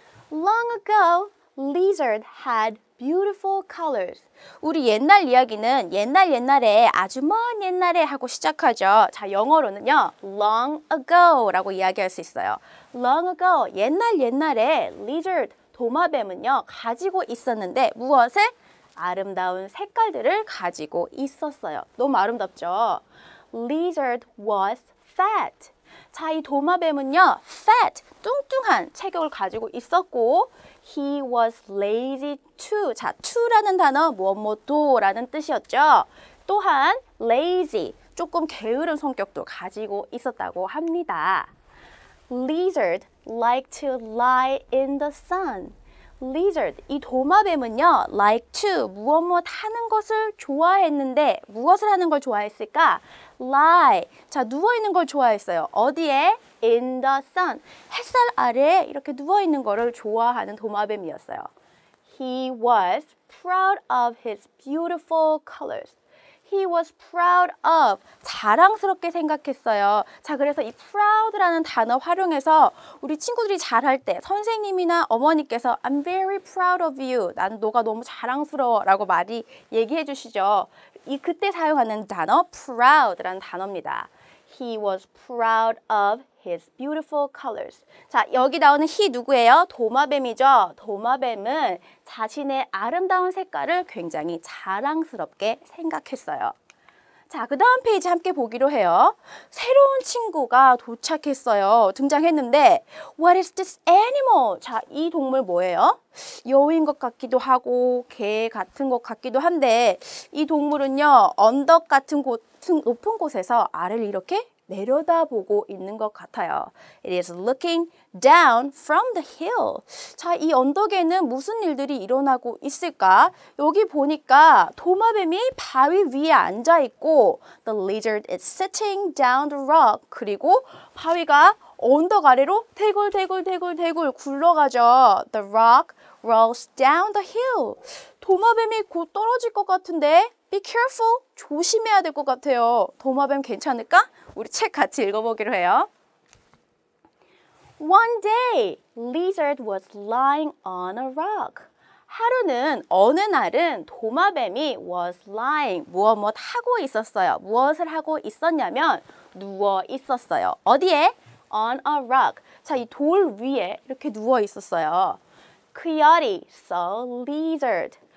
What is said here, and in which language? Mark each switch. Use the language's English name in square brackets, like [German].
[English] Long ago, lizard had beautiful colors. [Korean] 우리 옛날 이야기는 옛날 옛날에 아주 먼 옛날에 하고 시작하죠. 자, 영어로는요. Long ago라고 이야기할 수 있어요. Long ago, 옛날 옛날에 lizard, 도마뱀은요, 가지고 있었는데 무엇을? 아름다운 색깔들을 가지고 있었어요. 너무 아름답죠? [English] Lizard was fat. [Korean] 자, 이 도마뱀은요, fat, 뚱뚱한 체격을 가지고 있었고 [English] He was lazy too. [Korean] 자, too라는 단어, 뭐뭐도라는 뜻이었죠? 또한 lazy, 조금 게으른 성격도 가지고 있었다고 합니다. [English] Lizard like to lie in the sun. [Korean] Lizard, 이 도마뱀은요, like to, 무엇무엇 하는 것을 좋아했는데, 무엇을 하는 걸 좋아했을까? Lie, 자, 누워있는 걸 좋아했어요. 어디에? In the sun, 햇살 아래에 이렇게 누워있는 거를 좋아하는 도마뱀이었어요. [English] He was proud of his beautiful colors. He was proud of, [Korean] 자랑스럽게 생각했어요. 자, 그래서 이 proud라는 단어 활용해서 우리 친구들이 잘할 때 선생님이나 어머니께서 [English] I'm very proud of you, [Korean] 난 너가 너무 자랑스러워 라고 말이 얘기해 주시죠. 이 그때 사용하는 단어 proud라는 단어입니다. [English] He was proud of his beautiful colors. [Korean] 자, 여기 나오는 he 누구예요? 도마뱀이죠. 도마뱀은 자신의 아름다운 색깔을 굉장히 자랑스럽게 생각했어요. 자, 그 다음 페이지 함께 보기로 해요. 새로운 친구가 도착했어요. 등장했는데 [English] What is this animal? [Korean] 자, 이 동물 뭐예요? 여우인 것 같기도 하고 개 같은 것 같기도 한데 이 동물은요, 언덕 같은 높은 곳에서 알을 이렇게 내려다보고 있는 것 같아요. [English] It is looking down from the hill. [Korean] 자, 이 언덕에는 무슨 일들이 일어나고 있을까? 여기 보니까 도마뱀이 바위 위에 앉아있고 [English] The lizard is sitting down the rock. [Korean] 그리고 바위가 언덕 아래로 대굴대굴대굴대굴 굴러가죠. [English] The rock rolls down the hill. [Korean] 도마뱀이 곧 떨어질 것 같은데 [English] Be careful. [Korean] 조심해야 될 것 같아요. 도마뱀 괜찮을까? 우리 책 같이 읽어보기로 해요. [English] One day, lizard was lying on a rock. [Korean] 하루는, 어느 날은 도마뱀이 was lying, 무엇무엇 하고 있었어요. 무엇을 하고 있었냐면 누워 있었어요. 어디에? [English] On a rock. [Korean] 자, 이 돌 위에 이렇게 누워 있었어요. [English] Coyote saw lizard.